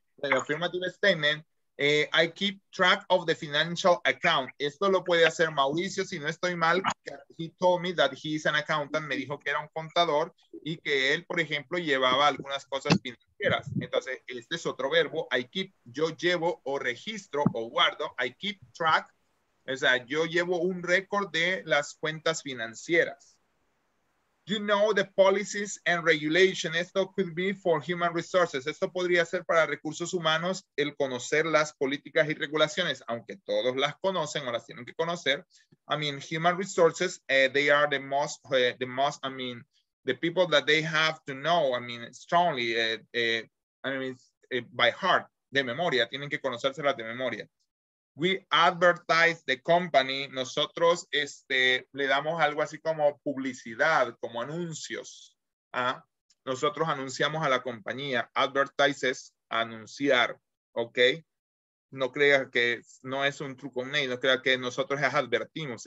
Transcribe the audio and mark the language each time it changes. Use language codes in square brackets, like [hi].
[en] El affirmative statement, I keep track of the financial account. [es] Esto lo puede hacer Mauricio, si no estoy mal. [en] He told me that he is an accountant. [es] Me dijo que era un contador y que él, por ejemplo, llevaba algunas cosas financieras. Entonces, este es otro verbo. [en] I keep, [es] yo llevo o registro o guardo. [en] I keep track. [es] O sea, yo llevo un récord de las cuentas financieras. [en] You know the policies and regulations. Esto could be for human resources. [es] Esto podría ser para recursos humanos, el conocer las políticas y regulaciones, aunque todos las conocen o las tienen que conocer. [en] I mean, human resources, they are the people that they have to know, I mean, strongly, by heart, [es] de memoria, tienen que conocérselas de memoria. [en] We advertise the company. [es] Nosotros le damos algo así como publicidad, como anuncios. ¿Ah? Nosotros anunciamos a la compañía. Advertise es anunciar. ¿Ok? No crea que no es un truco, no crea que nosotros es advertimos.